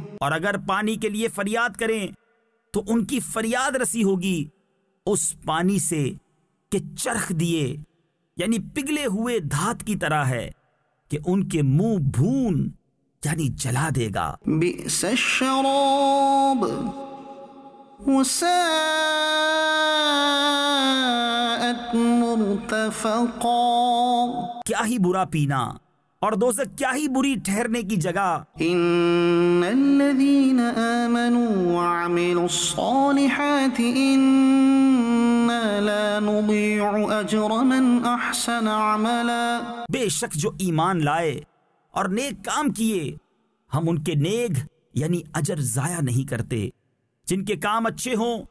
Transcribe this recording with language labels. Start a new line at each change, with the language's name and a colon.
Urdu: اور اگر پانی کے لیے فریاد کریں تو ان کی فریاد رسی ہوگی اس پانی سے کہ چرخ دیے یعنی پگھلے ہوئے دھات کی طرح ہے کہ ان کے منہ بھون یعنی جلا دے گا.
Arabic: بئس الشراب وساءت مرتفقا.
Urdu: کیا ہی برا پینا اور دوزخ کیا ہی بری ٹھہرنے کی جگہ.
Arabic: ان الذین آمنوا وعملوا الصالحات انا لا نضیع اجر من احسن عملا.
Urdu: بے شک جو ایمان لائے اور نیک کام کیے ہم ان کے نیک یعنی اجر ضائع نہیں کرتے جن کے کام اچھے ہوں.